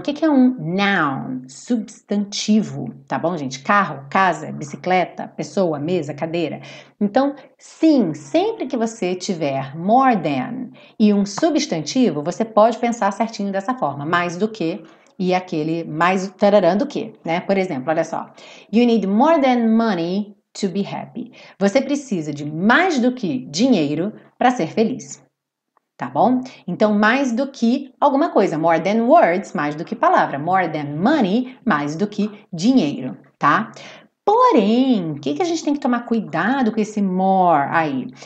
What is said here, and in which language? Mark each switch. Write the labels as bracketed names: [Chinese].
[Portuguese] O que é um noun? Substantivo, tá bom, gente? Carro, casa, bicicleta, pessoa, mesa, cadeira. Então, sim, sempre que você tiver more than e um substantivo, você pode pensar certinho dessa forma, mais do que, e aquele mais tarará do que, né? Por exemplo, olha só. [English] You need more than money to be happy. [Portuguese] Você precisa de mais do que dinheiro para ser feliz. Tá bom? Então, mais do que alguma coisa. More than words, mais do que palavra. More than money, mais do que dinheiro, tá? Porém, o que a gente tem que tomar cuidado com esse more aí?